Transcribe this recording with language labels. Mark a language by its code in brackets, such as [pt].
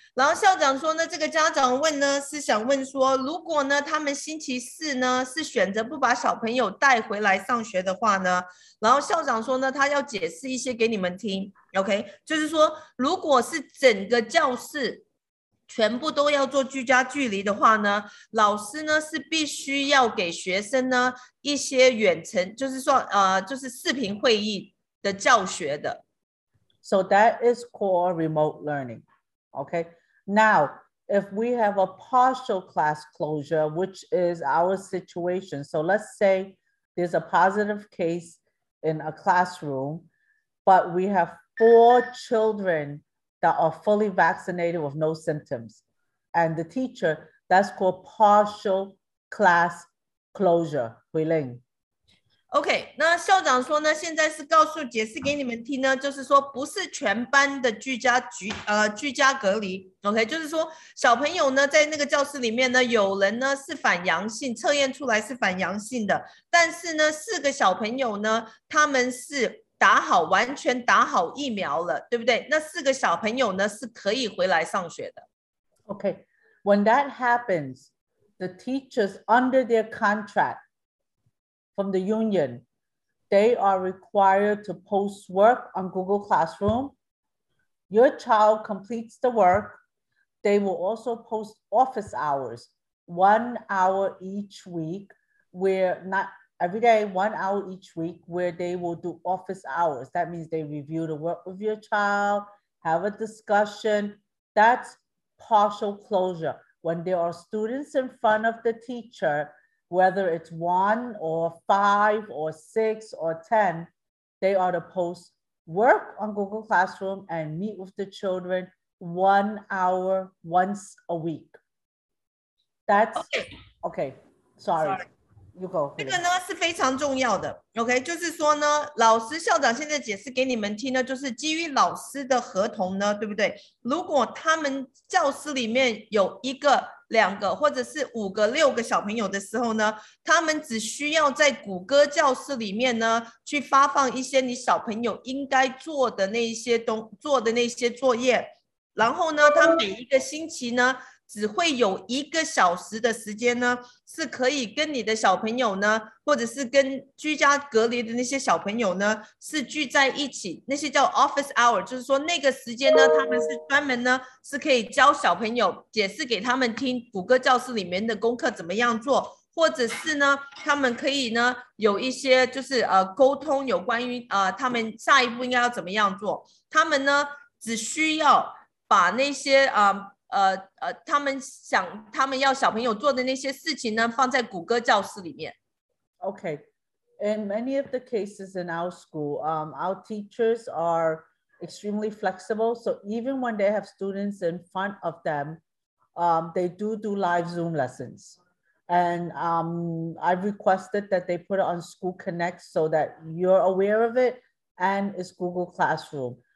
[zh] 然后校长说呢，这个家长问呢是想问说，如果呢他们星期四呢是选择不把小朋友带回来上学的话呢，然后校长说呢他要解释一些给你们听 ，OK， 就是说如果是整个教室全部都要做居家距离的话呢，老师呢是必须要给学生呢一些远程，就是说就是视频会议的教学的。 [en] So that is called remote learning. Okay, now if we have a partial class closure, which is our situation, so let's say there's a positive case in a classroom, but we have four children that are fully vaccinated with no symptoms, and the teacher, that's called partial class closure. Hui Ling. [zh] OK， 那校长说呢，现在是告诉解释给你们听呢，就是说不是全班的居家隔离 ，OK， 就是说小朋友呢在那个教室里面呢，有人呢是反阳性，测验出来是反阳性的，但是呢四个小朋友呢，他们是打好完全打好疫苗了，对不对？那四个小朋友呢是可以回来上学的。 [en] OK， when that happens， the teachers under their contract. From the union, they are required to post work on Google Classroom. Your child completes the work. They will also post office hours, 1 hour each week, where not every day, 1 hour each week, where they will do office hours. That means they review the work with your child, have a discussion. That's partial closure. When there are students in front of the teacher,Whether it's 1 or 5 or 6 or 10, they are to post work on Google Classroom and meet with the children 1 hour once a week. That's okay. Okay. Sorry. You go. [zh] 这个呢是非常重要的。 OK， 就是说呢，老师校长现在解释给你们听呢，就是基于老师的合同呢，对不对？如果他们教室里面有一个、两个，或者是五个、六个小朋友的时候呢，他们只需要在谷歌教室里面呢，去发放一些你小朋友应该做的那些东做的那些作业，然后呢，他每一个星期呢。只会有一个小时的时间呢，是可以跟你的小朋友呢，或者是跟居家隔离的那些小朋友呢，是聚在一起，那些叫 office hour， 就是说那个时间呢，他们是专门呢，是可以教小朋友，解释给他们听谷歌教室里面的功课怎么样做，或者是呢，他们可以呢，有一些就是沟通有关于他们下一步应该要怎么样做，他们呢，只需要把那些他们想他们要小朋友做的那些事情呢放在谷歌教室里面。 [en] OK， in many of the cases in our school our teachers are extremely flexible, so even when they have students in front of them they do live Zoom lessons, and I've requested that they put it on School Connect so that you're aware of it, and it's Google Classroom.